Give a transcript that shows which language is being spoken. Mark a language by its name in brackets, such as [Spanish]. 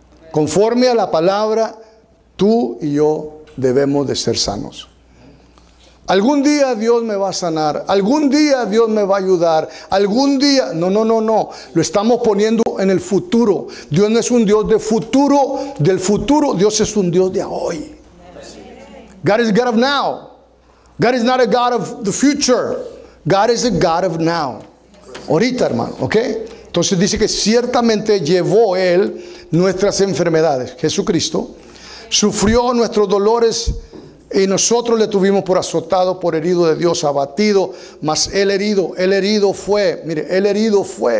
[Spanish] Conforme a la palabra, tú y yo debemos de ser sanos. Algún día Dios me va a sanar. Algún día Dios me va a ayudar. Algún día... No. Lo estamos poniendo en el futuro. Dios no es un Dios de futuro, del futuro. Dios es un Dios de hoy. [English] God is God of now. God is not a God of the future. God is a God of now. [Spanish] Ahorita, hermano. ¿Ok? Entonces dice que ciertamente llevó Él nuestras enfermedades. Jesucristo sufrió nuestros dolores. Y nosotros le tuvimos por azotado, por herido de Dios, abatido. Mas el herido fue. Mire, el herido fue.